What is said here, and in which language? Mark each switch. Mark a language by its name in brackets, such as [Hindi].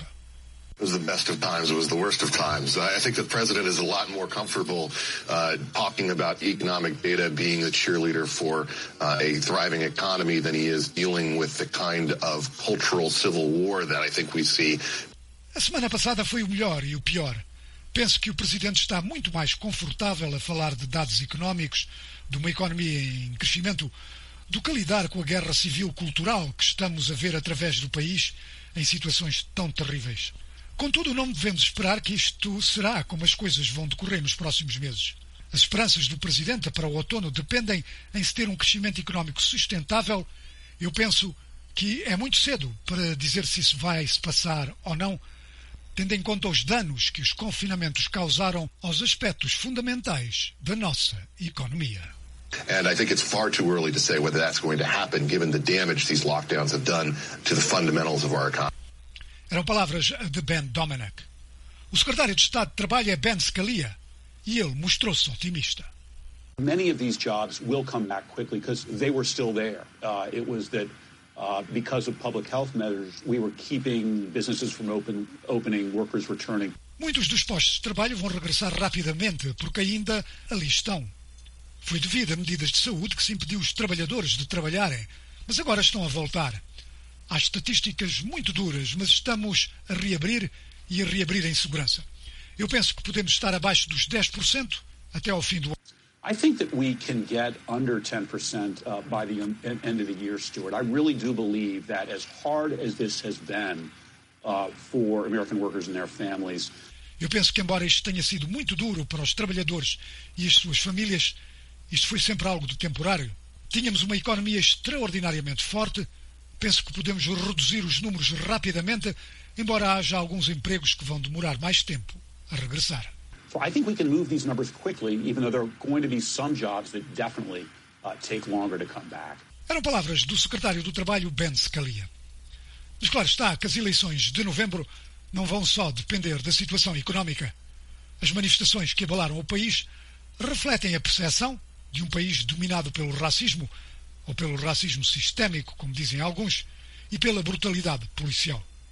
[English] It was the best of times, it was the worst of times. I think the president is a lot more comfortable talking about economic data being a cheerleader for a thriving economy than he is dealing with the kind of cultural civil war that I think we see. [Portuguese] A semana passada foi o melhor e o pior. Penso que o presidente está muito mais confortável a falar de dados económicos, de uma economia em crescimento, do que lidar com a guerra civil cultural que estamos a ver através do país em situações tão terríveis. Contudo, não devemos esperar que isto será como as coisas vão decorrer nos próximos meses. As esperanças do presidente para o outono dependem em se ter um crescimento económico sustentável. Eu penso que é muito cedo para dizer se isso vai se passar ou não, tendo em conta os danos que os confinamentos causaram aos aspectos fundamentais da nossa economia. [English] And I think it's far too early to say whether that's going to happen, given the damage these lockdowns have done to the fundamentals of our economy. [Portuguese] Eram palavras de Ben Dominic. O secretário de Estado de Trabalho é Ben Scalia, e ele mostrou-se otimista. [English] Many of these jobs will come back quickly because they were still there. It was that because of public health measures, we were keeping businesses from opening, workers returning. [Portuguese] Muitos dos postos de trabalho vão regressar rapidamente porque ainda ali estão. Foi devido a medidas de saúde que se impediu os trabalhadores de trabalharem, mas agora estão a voltar. Há estatísticas muito duras, mas estamos a reabrir e a reabrir em segurança. Eu penso que podemos estar abaixo dos 10% até ao fim do ano. [English] I think that we can get under 10% by the end of the year, Stuart. I really do believe that as hard as this has been for American workers and their families. [Portuguese] Eu penso que embora isto tenha sido muito duro para os trabalhadores e as suas famílias, isto foi sempre algo de temporário. Tínhamos uma economia extraordinariamente forte. Penso que podemos reduzir os números rapidamente, embora haja alguns empregos que vão demorar mais tempo a regressar. [English] So I think we can move these numbers quickly, even though there are going to be some jobs that definitely take longer to come back. [Portuguese] Eram palavras do secretário do Trabalho, Ben Scalia. Mas claro está que as eleições de novembro não vão só depender da situação económica. As manifestações que abalaram o país refletem a percepção de um país dominado pelo racismo, ou pelo racismo sistémico, como dizem alguns, e pela brutalidade policial.